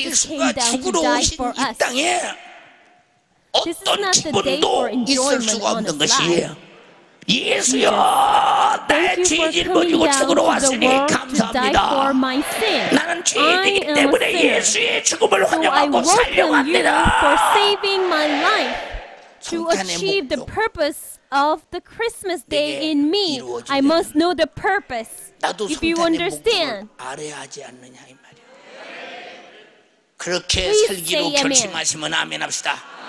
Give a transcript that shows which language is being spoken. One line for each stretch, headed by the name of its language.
English: not the day for enjoyment on a slide.
Korean: 예수여, 나의 죄 짊어지고 죽으러 왔으니 감사합니다. 나는 죄인이기 때문에 예수의 죽음을 환영하고 살려갑니다.
English: For saving my life to achieve the purpose of the Christmas day in me, I must know the purpose. If you understand, please say amen.
Korean: 그렇게 살기로 결심하시면 아멘 합시다.